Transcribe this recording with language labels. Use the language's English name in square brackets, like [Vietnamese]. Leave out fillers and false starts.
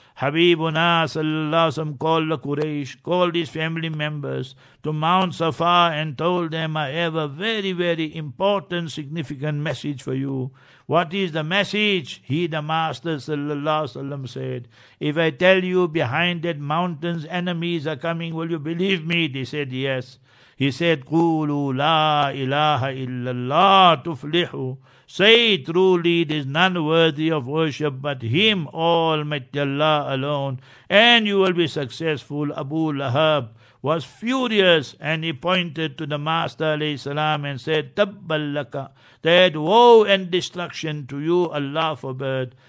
[English] Habibuna sallallahu alayhi wa sallam called the Quraysh, called his family members to Mount Safa and told them, I have a very, very important, significant message for you. What is the message? He, the Master sallallahu alayhi wa sallam, said, if I tell you behind that mountains enemies are coming, will you believe me? They said, yes. He said, [Arabic] قُولُوا لَا إِلَهَ إِلَّا اللَّهُ تُفْلِحُ. [English] Say, truly, it is none worthy of worship but Him, Almighty Allah alone, and you will be successful. Abu Lahab was furious, and he pointed to the Master alayhi salam and said, Tabbalaka, that woe and destruction to you, Allah forbid.